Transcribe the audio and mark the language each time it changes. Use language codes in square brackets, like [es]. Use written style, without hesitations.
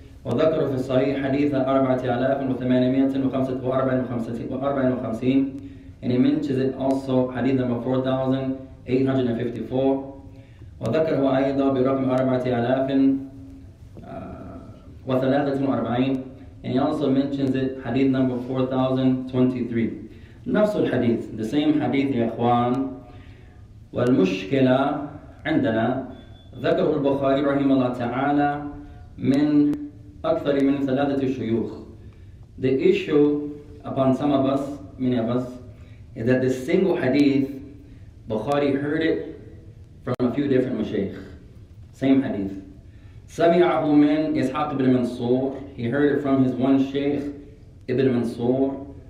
[ar] وَذَكَرَهُ فِي الصَّحِيحِ حَدِيثًا 4,845. [en] And he mentions it also, hadith number 4,854. And he also mentions it, hadith number 4,023. [ar] نفس الحديث, [en] the same hadith, [ar] يا إخوان. والمشكلة عندنا ذكره البخاري رحمه الله تعالى من أكثر من ثلاثة شيوخ. [en] The issue upon some of us, many of us, is that this single hadith, Bukhari heard it from a few different mashaykh. Same hadith. [ar] سَمِعَهُ مِنْ إِسْحَاقِ بْنِ مَنْصُورِ. [en] He heard it from his one shaykh, Ibn Mansur.